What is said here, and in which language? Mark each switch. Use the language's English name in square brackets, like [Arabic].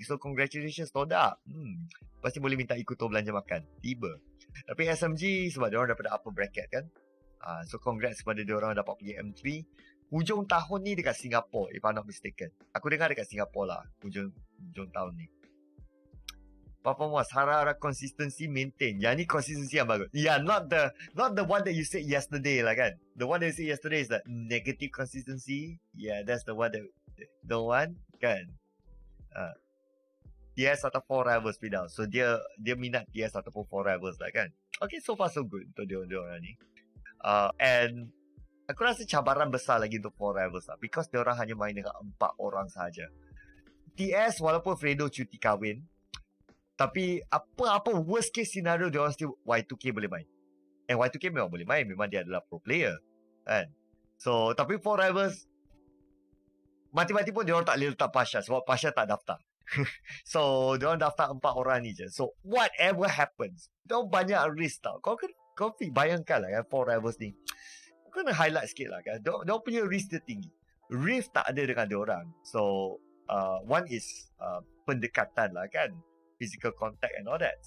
[Malay] So, congratulations Todak. Pasti boleh minta ikut tu belanja makan. Tiba. Tapi SMG sebab dia orang daripada upper bracket kan. So, congrats kepada dia orang dapat pergi M3. Hujung tahun ni dekat Singapore, [English] if I'm not mistaken. [Malay] Aku dengar dekat Singapore lah hujung tahun ni. Papa Muaz, harap-harap consistency maintain. Yang ni consistency yang bagus. [English] Yeah, not the one that you said yesterday lah kan. The one that you said yesterday is that negative consistency. Yeah, that's the one kan. [Malay] TS atau 4 Rivals Pidal. So dia minat TS ataupun 4 Rivals lah kan. Okay, [English] so far so good [Malay] untuk diorang ni. And aku rasa cabaran besar lagi untuk 4 Rivals lah, because diorang hanya main dengan 4 orang sahaja. TS walaupun Fredo cuti kahwin, tapi apa-apa worst case scenario diorang still Y2K boleh main. And Y2K memang boleh main, memang dia adalah pro player kan. So tapi 4 Rivals mati-mati pun diorang tak boleh letak Pasha, sebab Pasha tak daftar. So diorang daftar 4 orang ni je. So [English] whatever happens, [Malay] diorang banyak risk tau. Kau bayangkan lah kan 4 Rivals ni. Kau kena highlight sikit lah kan. Diorang punya risk dia tinggi. Risk tak ada dengan diorang. [English] So one is [Malay] pendekatan lah kan, [English] physical contact and all that.